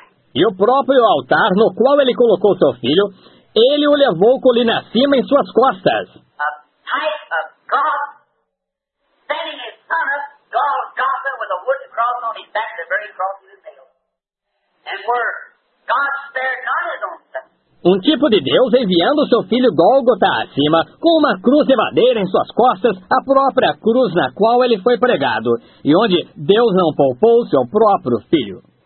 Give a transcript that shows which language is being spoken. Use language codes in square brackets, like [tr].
[pt] E o altar que ele levou seu filho, ele colocou-o no seu ombro. e o próprio altar no qual ele colocou seu filho, ele o levou colina acima em suas costas. [en] A type of God sending his son up Golgotha with a wooden cross on his back, the very cross he was nailed. And where God spared not his own son. [pt] Um tipo de Deus enviando seu filho Gólgota acima, com uma cruz de madeira em suas costas, a própria cruz na qual ele foi pregado, e onde Deus não poupou seu próprio filho.